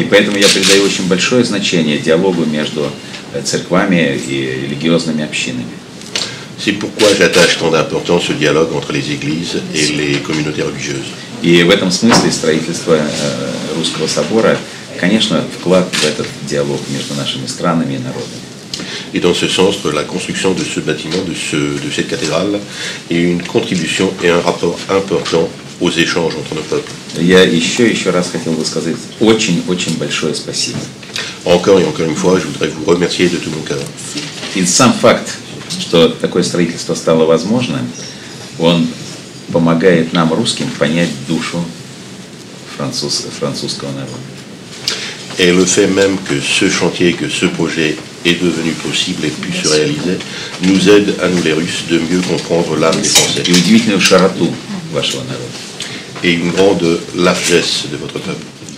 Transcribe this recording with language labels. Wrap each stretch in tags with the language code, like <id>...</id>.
<ru>И поэтому я придаю очень большое значение диалогу между церквами и религиозными общинами.</ru> <fr>C'est pourquoi j'attache tant d'importance au dialogue entre les églises et les communautés religieuses.</fr> <ru>И в этом смысле строительство русского собора, конечно, вклад в этот диалог между нашими странами и народами.</ru> <fr>Et dans ce sens, la construction de ce bâtiment, de cette cathédrale, est une contribution et un rapport important aux échanges entre nos peuples.</fr> <ru>Я еще раз хотел бы сказать очень большое спасибо.</ru> <fr>Encore et encore une fois, je voudrais vous remercier de tout mon cœur.</fr> <ru>Et sans fact, что такое строительство стало возможным, он помогает нам, русским, понять душу французского народа.</ru> <fr>Et le fait même que ce chantier, que ce projet est devenu possible et puisse se réaliser, nous aide à nous les Russes de mieux comprendre l'âme des Français.</fr> <ru>Et удивительную широту вашего народа.</ru> <fr>Et une grande largesse de votre peuple.</fr>